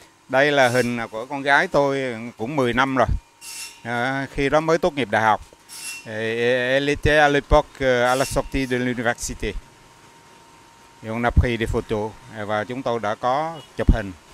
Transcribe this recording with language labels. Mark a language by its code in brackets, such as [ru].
[vi] Đây là hình của con gái tôi cũng 10 năm rồi. Khi đó mới tốt nghiệp đại học. [fr] Et elle était à l'époque à la sortie de l'université. Et on a pris des photos [vi] và chúng tôi đã có chụp hình.